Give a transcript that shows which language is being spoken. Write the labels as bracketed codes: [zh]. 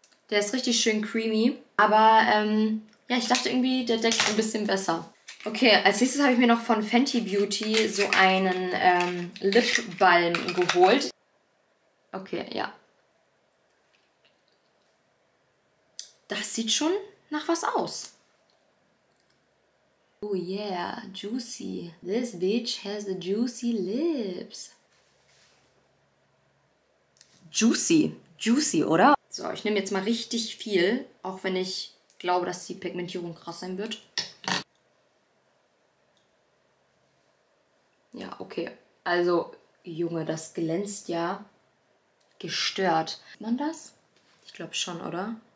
[de] Der ist richtig schön creamy. Aber ja, ich dachte irgendwie, der deckt ein bisschen besser. Okay, als nächstes habe ich mir noch von Fenty Beauty so einen Lip Balm geholt. Okay, ja. Das sieht schon nach was aus. [en] Oh yeah, juicy. This bitch has the juicy lips. [de] Juicy. Juicy, oder? So, ich nehme jetzt mal richtig viel. Auch wenn ich glaube, dass die Pigmentierung krass sein wird. Ja, okay. Also, Junge, das glänzt ja gestört. Sieht man das? Ich glaube schon, oder?